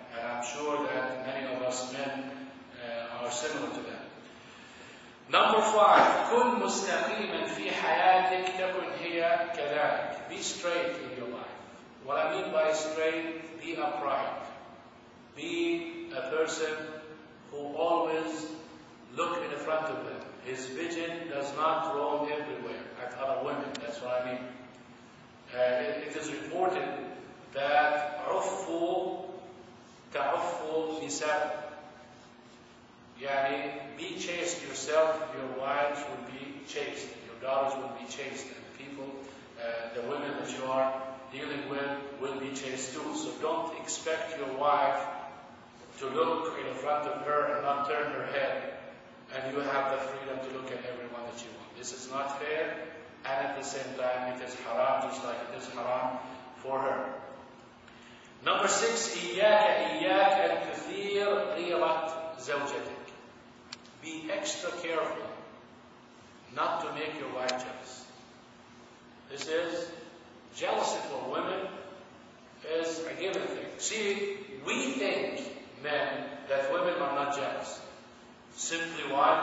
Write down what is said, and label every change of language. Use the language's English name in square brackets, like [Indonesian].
[English] And I'm sure that many of us men are similar to that. Number five, [Arabic] كن مستقيما في حياتك تكن هي كذلك. [English] Be straight in your life. What I mean by straight, be upright. Be a person who always look in front of them. His vision does not roam everywhere. I've heard of women, that's what I mean. It is reported that [Arabic] عفو تعفو نساءك. [English] Yani, be chaste yourself, your wives will be chaste, your daughters will be chaste, and the people, the women that you are dealing with will be chaste too. So don't expect your wife to look in front of her and not turn her head, and you have the freedom to look at everyone that you want. This is not fair, and at the same time it is haram, just like it is haram for her. Number six, [Arabic] إياك أن تثير غيرة زوجتك. [English] Be extra careful not to make your wife jealous. This is, jealousy for women is a given thing. See, we think, men, that women are not jealous. Simply why?